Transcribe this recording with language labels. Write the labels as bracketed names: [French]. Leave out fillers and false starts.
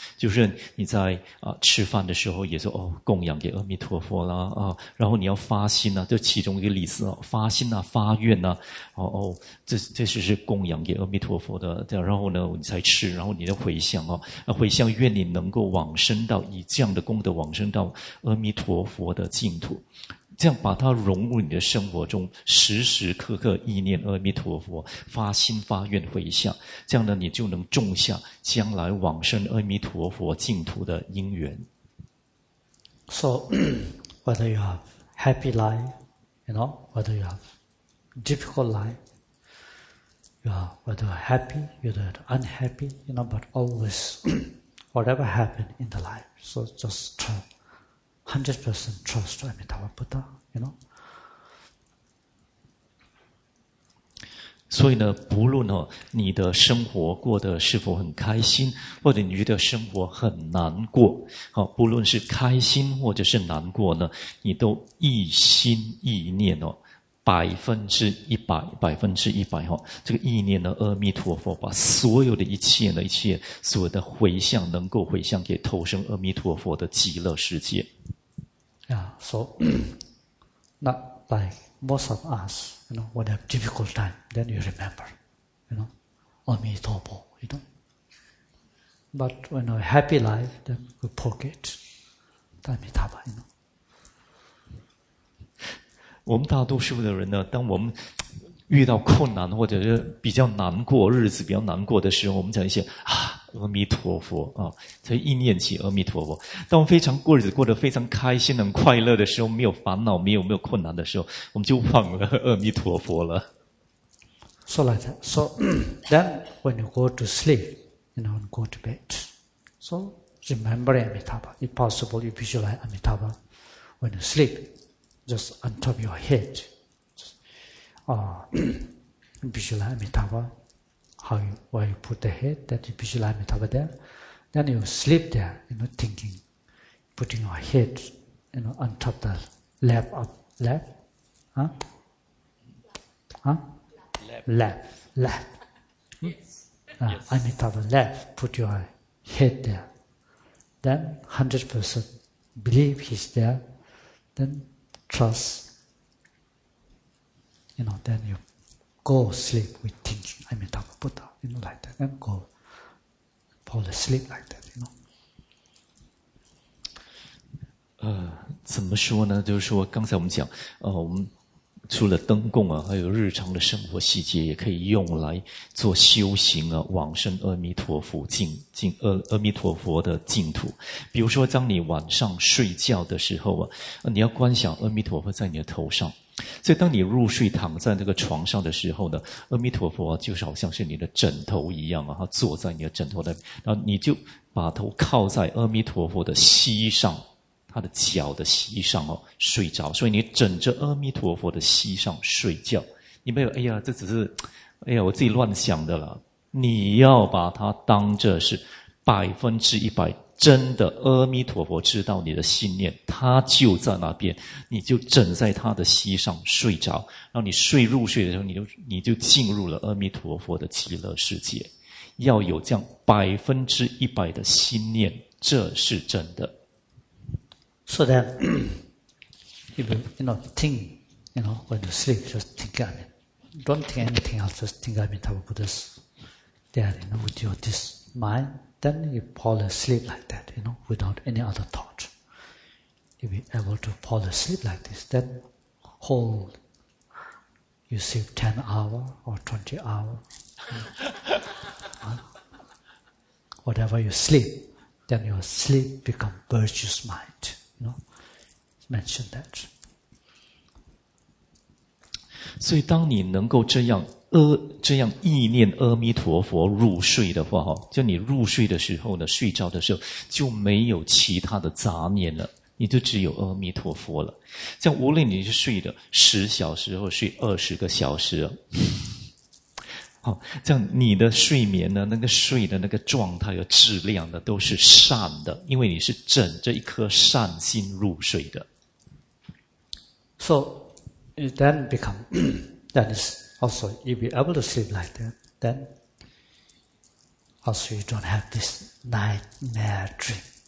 [Chinese] 就是你在吃饭的时候也说哦，供养给阿弥陀佛啦啊，然后你要发心呐、啊，就其中一个例子哦，发心呐、啊，发愿呐、啊，哦，这是供养给阿弥陀佛的，这样然后呢你才吃，然后你就回向哦，回向愿你能够往生到以这样的功德往生到阿弥陀佛的净土。这样把它融入你的生活中，时时刻刻意念阿弥陀佛，发心发愿回向，这样呢，你就能种下将来往生阿弥陀佛净土的因缘。 [English] So, whether you have happy life, you know, whether you have difficult life, you are whether happy, whether unhappy, you know, but always whatever happened in the life, so just try. 100% trust Amitabha Buddha, you know. 所以呢，不论哦，你的生活过得是否很开心，或者你觉得生活很难过，好，不论是开心或者是难过呢，你都一心一念哦，100%哈，这个意念呢，阿弥陀佛，把所有的一切呢，一切所有的回向，能够回向给投生阿弥陀佛的极乐世界。 Yeah, so, not like most of us, you know, when you have difficult time, then you remember, you know, Amitabha, you know. But when a happy life, then you forget Amitabha, you know. 我们大多数的人呢，当我们遇到困难或者是比较难过日子比较难过的时候，我们讲一些阿弥陀佛啊，才一念起阿弥陀佛。当我们非常过日子过得非常开心很快乐的时候，没有烦恼，没有困难的时候，我们就忘了阿弥陀佛了。 So like that. So then when you go to sleep, you know, go to bed. So remember Amitabha. If possible, you visualize Amitabha when you sleep, just on top of your head. Visualize Amitabha, how you, where you put the head, that you visualize Amitabha there. Then you sleep there, you know, thinking, putting your head, you know, on top the lap of, lap? Huh? Huh? Lap. Yes. Amitabha lap, put your head there. Then 100% believe he's there, then trust,You know, then you go sleep with thinking, I mean, Amitabha Buddha, you know, like that, then go fall asleep like that, you know. [Chinese] 怎么说呢？就是说，刚才我们讲，我们除了灯供啊，还有日常的生活细节，也可以用来做修行啊，往生阿弥陀佛阿弥陀佛的净土。比如说，当你晚上睡觉的时候啊，你要观想阿弥陀佛在你的头上。所以当你入睡躺在那个床上的时候呢，阿弥陀佛就是好像是你的枕头一样啊，他坐在你的枕头那边，然后你就把头靠在阿弥陀佛的膝上，他的脚的膝上哦，睡着。所以你枕着阿弥陀佛的膝上睡觉，你没有哎呀这只是哎呀我自己乱想的了，你要把它当着是100%真的阿弥陀佛知道你的信念，他就在那边，你就枕在他的膝上睡着，然后你睡入睡的时候，你就进入了阿弥陀佛的极乐世界。要有这样100%的信念，这是真的。 [English] So then, if you, you know, think, you know, when you sleep, just think of it. Don't think anything else, just think of Amitabha Buddha's there, you know, with your this mind. Then you fall asleep like that, you know, without any other thought. If you're able to fall asleep like this, then whole, you sleep 10 hours or 20 hours. Whatever you sleep, then your sleep becomes virtuous mind, you know. Mention that. [Chinese] 所以当你能够这样意念阿弥陀佛入睡的话，就你入睡的时候呢，睡着的时候就没有其他的杂念了，你就只有阿弥陀佛了。像无论你是睡的10小时或睡20个小时，好，这样你的睡眠呢，那个睡的那个状态和质量呢，都是善的，因为你是枕着一颗善心入睡的。 [English] So it then become, then it's also, if you're able to sleep like that, then also you don't have this nightmare dream.